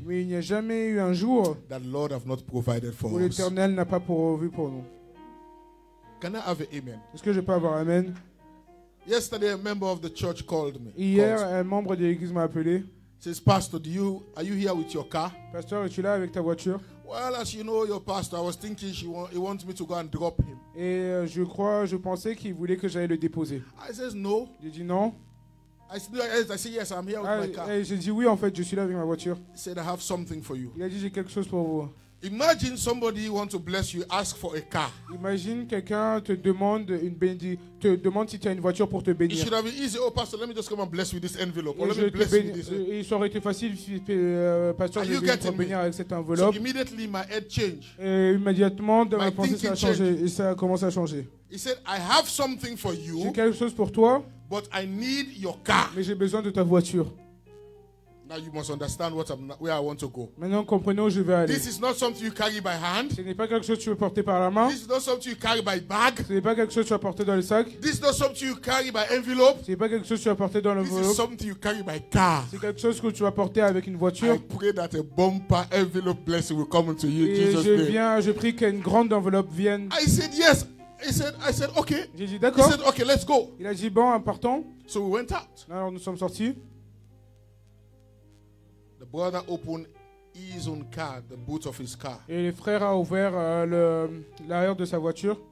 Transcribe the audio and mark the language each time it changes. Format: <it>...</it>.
<fr>Mais il n'y a jamais eu un jour.</fr> <en>That Lord have not provided for</en> <fr>où l'Éternel</fr> <en>us.</en> <fr>N'a pas pourvu pour nous.</fr> <en>Can I have an amen?</en> <fr>Est-ce que je peux avoir un amen?</fr> <en>Yesterday, a member of the church called me.</en> <fr>Hier, un membre de l'église m'a appelé.</fr> <en>Says, Pastor, are you here with your car?</en> <fr>Pasteur, es-tu là avec ta voiture?</fr> <en>Well, as you know, your pastor, I was thinking he wants me to go and drop him.</en> <fr>Et je pensais qu'il voulait que j'aille le déposer.</fr> <en>I says no.</en> <fr>J'ai dit non.</fr> <en>I said yes, I'm here with my car.</en> <fr>Et j'ai dit oui, en fait, je suis là avec ma voiture.</fr> <en>He said I have something for you.</en> <fr>Il a dit j'ai quelque chose pour vous.</fr> <en>Imagine somebody want to bless you, ask for a car.</en> <fr>Imagine quelqu'un te demande une te demande si tu as une voiture pour te bénir.</fr> <en>It should have been easy. Oh, pastor, let me just come and bless you with this envelope. Or let me bless you with this.</en> <fr>Il aurait été facile, pastor, de te bénir avec cette enveloppe.</fr> <en>So immediately my head changed.</en> <fr>Et immédiatement, dans ma pensée, ça a changé. Et ça a commencé à changer.</fr> <en>He said, I have something for you.</en> <fr>J'ai quelque chose pour toi.</fr> <en>But I need your car.</en> <fr>Mais j'ai besoin de ta voiture.</fr> <en>Now you must understand what I'm, where I want to go.</en> <fr>Maintenant, comprenez où je veux aller.</fr> <en>This is not something you carry by hand.</en> <fr>Ce n'est pas quelque chose que tu peux porter par la main.</fr> <en>This is not something you carry by bag.</en> <fr>Ce n'est pas quelque chose que tu peux porter dans le sac.</fr> <en>This is not something you carry by envelope.</en> <fr>Ce n'est pas quelque chose que tu peux porter dans l'enveloppe.</fr> <en>This is something you carry by car.</en> <fr>C'est quelque chose que tu vas porter avec une voiture.</fr> <en>I pray that a bumper envelope blessing will come to you, Jesus.</en> <fr>Et je prie qu'une grande enveloppe vienne.</fr> <en>I said yes. I said okay.</en> <fr>J'ai dit d'accord.</fr> <en>He said okay, let's go.</en> <fr>Il a dit bon, partons.</fr> <en>So we went out.</en> <fr>Alors nous sommes sortis.</fr> <en>Brother opened his own car, the boot of his car.</en> <fr>Et le frère a ouvert l'arrière de sa voiture.</fr>